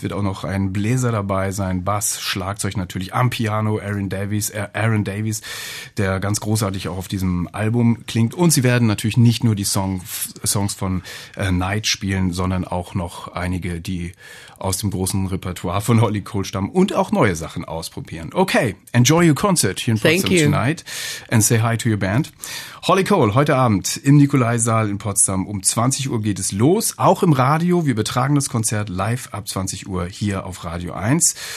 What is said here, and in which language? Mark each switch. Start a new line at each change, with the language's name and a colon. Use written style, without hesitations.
German: Es wird auch noch ein Bläser dabei sein, Bass, Schlagzeug natürlich, am Piano, Aaron Davis, der ganz großartig auch auf diesem Album klingt. Und sie werden natürlich nicht nur die Songs von Night spielen, sondern auch noch einige, die aus dem großen Repertoire von Holly Cole stammen und auch neue Sachen ausprobieren.
English: Okay, enjoy your concert here in Potsdam tonight and say hi to your band.
German: Holly Cole, heute Abend im Nikolai-Saal in Potsdam um 20 Uhr geht es los, auch im Radio. Wir übertragen das Konzert live ab 20 Uhr hier auf Radio 1.